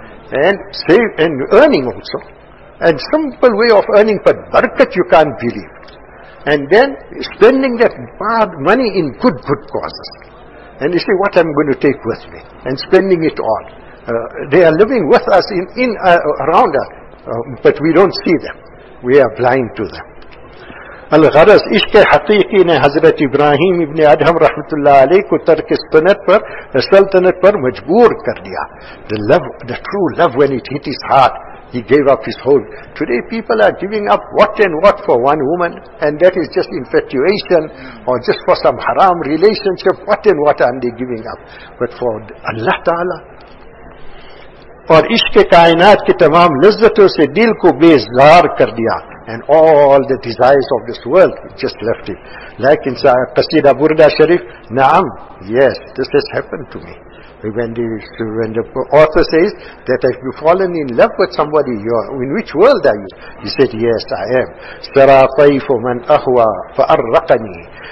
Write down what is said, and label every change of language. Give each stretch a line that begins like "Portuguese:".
English: And save and earning also. And simple way of earning, but barakat you can't believe. And then spending that bad money in good causes. And you say, what I'm going to take with me? And spending it all. They are living with us around us, but we don't see them. We are blind to them.
Urdu: الغرض عشق حقیقی نے حضرت ابراہیم ابن ادہم رحمۃ اللہ علیہ کو ترک سلطنت پر مجبور کر دیا.
English: The true love when it hit his heart, he gave up his hold. Today people are giving up what and what for one woman, and that is just infatuation or just for some haram relationship. What and what are they giving up? But for Allah Ta'ala.
Urdu: اور عشق کائنات کی تمام لذتوں سے دل کو بیزار کر دیا.
English: And all the desires of this world, it just left it. Like in Qasida Burda Sharif, Naam, yes, this has happened to me. When the author says that if you've fallen in love with somebody, in which world are you? He said, yes, I am.
Arabic: Sarafaifu man ahwa fa'arraqani.